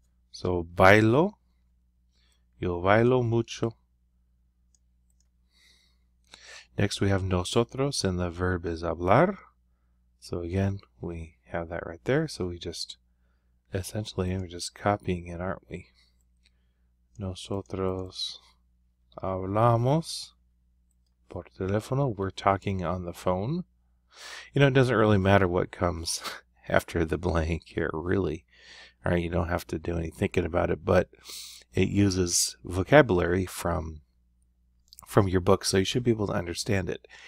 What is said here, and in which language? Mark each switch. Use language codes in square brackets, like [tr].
[es] So bailo. Yo bailo mucho. [en] Next we have nosotros, and the verb is hablar. So again, we have that right there. So we just, essentially, we're just copying it, aren't we? [es] Nosotros hablamos por teléfono. [en] We're talking on the phone. You know, it doesn't really matter what comes after the blank here, really. All right, you don't have to do any thinking about it, but it uses vocabulary from your book, so you should be able to understand it.